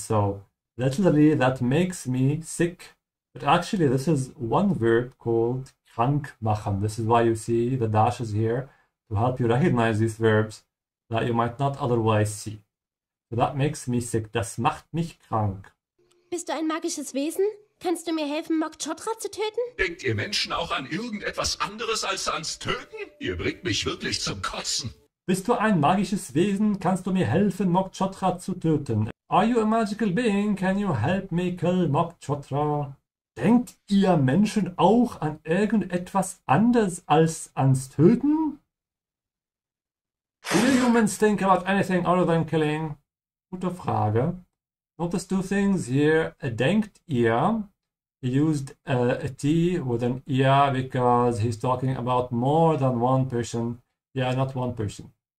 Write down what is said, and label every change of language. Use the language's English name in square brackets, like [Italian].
[English] So literally, that makes me sick. But actually, this is one verb called [German] krank machen. [English] This is why you see the dashes here to help you recognize these verbs that you might not otherwise see. So that makes me sick. [German] Das macht mich krank. Bist du ein magisches Wesen? Kannst du mir helfen, Mok Chotra zu töten? Denkt ihr Menschen auch an irgendetwas anderes als ans Töten? Ihr bringt mich wirklich zum Kotzen. Bist du ein magisches Wesen? Kannst du mir helfen, Mok Chotra zu töten? [English] Are you a magical being? Can you help me kill Mok Chotra? [German] Denkt ihr Menschen auch an irgendetwas anders als ans Töten? [English] Do you humans think about anything other than killing? [German] Gute Frage. [English] Notice two things here. [German] Denkt ihr? [English] He used a T with an ear because he's talking about more than one person. Yeah, not one person.